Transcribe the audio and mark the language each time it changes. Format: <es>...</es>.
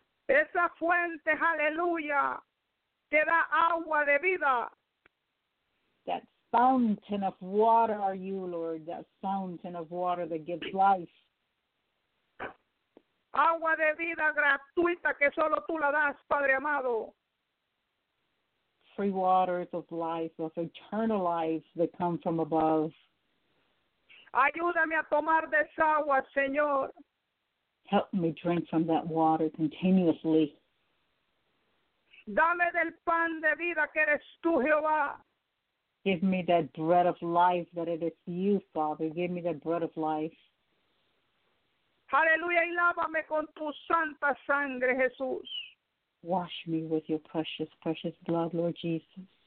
<es>Esa fuente, aleluya, que da agua de vida.</es> <en>That fountain of water are you, Lord, that fountain of water that gives life.</en> <es>Agua de vida gratuita que solo tú la das, Padre amado.</es> <en>Free waters of life, of eternal life that come from above.</en> <es>Ayúdame a tomar de esa agua, Señor.</es> <en>Help me drink from that water continuously.</en> <es>Dame del pan de vida que eres tú, Jehová.</es> <en>Give me that bread of life that it is you, Father. Give me that bread of life.</en> <es>Aleluya, y lávame con tu santa sangre, Jesús.</es> <en>Wash me with your precious, precious blood, Lord Jesus.</en>